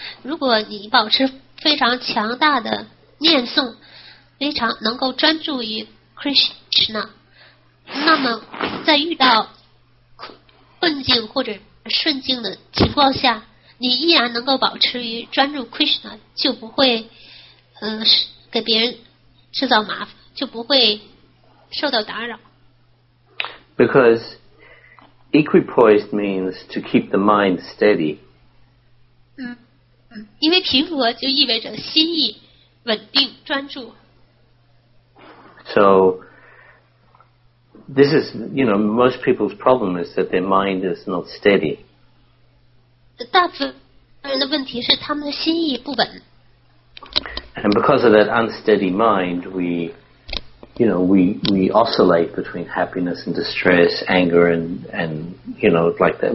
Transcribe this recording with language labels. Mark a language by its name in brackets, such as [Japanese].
[Chinese] 如果你保持非常强大的念诵，非常能够专注于 Krishna， 那么在遇到困境或者顺境的情况下，你依然能够保持于专注 Krishna， 就不会给别人制造麻烦，就不会受到打扰。 [English] Because equipoise means to keep the mind steady. [Chinese] 因为平和就意味着心意稳定专注。 [English] So, this is, you know, most people's problem is that their mind is not steady. [Chinese] 大部分人的问题是他们的心意不稳。 [English] And because of that unsteady mind, we oscillate between happiness and distress, anger and, you know, like that.